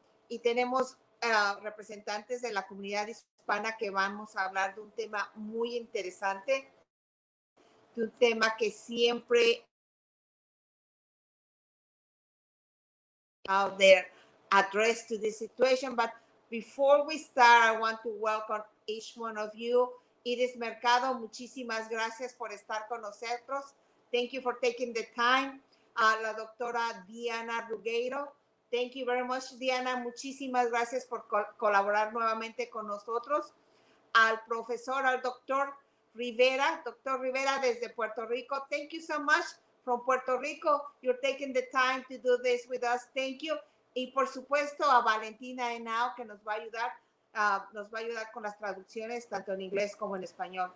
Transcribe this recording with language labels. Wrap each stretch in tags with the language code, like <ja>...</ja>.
<es>Y tenemos representantes de la comunidad hispana que vamos a hablar de un tema muy interesante, de un tema que siempre</es> <en>out there address to this situation. But before we start, I want to welcome each one of you.</en> <es>Iris Mercado, muchísimas gracias por estar con nosotros.</es> <en>Thank you for taking the time.</en> <es>La doctora</es> <en>Diana Rugueiro, thank you very much, Diana.</en> <es>Muchísimas gracias por colaborar nuevamente con nosotros. Al profesor, al doctor Rivera, doctor Rivera desde Puerto Rico,</es> <en>thank you so much. From Puerto Rico, you're taking the time to do this with us. Thank you.</en> <es>Y por supuesto a Valentina Henao, que nos va a ayudar con las traducciones tanto en inglés como en español.</es>